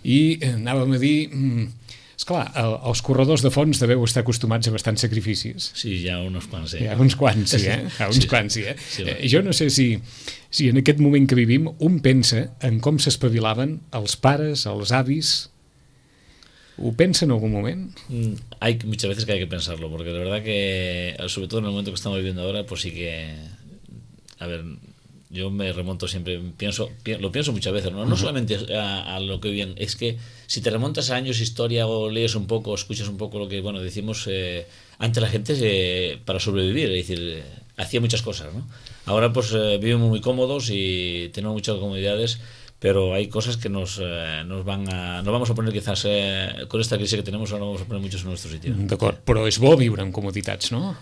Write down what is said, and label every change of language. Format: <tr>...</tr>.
<ca>I anàvem a dir... Esclar, els corredors de fons deveu estar acostumats a bastants sacrificis. Sí, hi ha uns quants, Hi ha uns quants, sí, Hi ha uns quants, sí. Jo no sé si en aquest moment que vivim un pensa en com s'espavilaven els pares, els avis... ¿Ho pensa</ca> <es>en algún momento? Hay muchas veces que hay que pensarlo, porque la verdad que, sobre todo en el momento que estamos viviendo ahora, pues sí que... A ver, yo me remonto siempre, lo pienso muchas veces, ¿no? No solamente a lo que viven, es que si te remontas a años, historia, o lees un poco, o escuchas un poco lo que, bueno, decimos ante la gente para sobrevivir, es decir, hacía muchas cosas, ¿no? Ahora pues vivimos muy cómodos y tenemos muchas comodidades, pero hay cosas que nos vamos a poner quizás con esta crisis que tenemos, ahora vamos a poner muchos en nuestro sitio.</es> <ca>D'acord, però és bo viure en comoditats, no?</ca>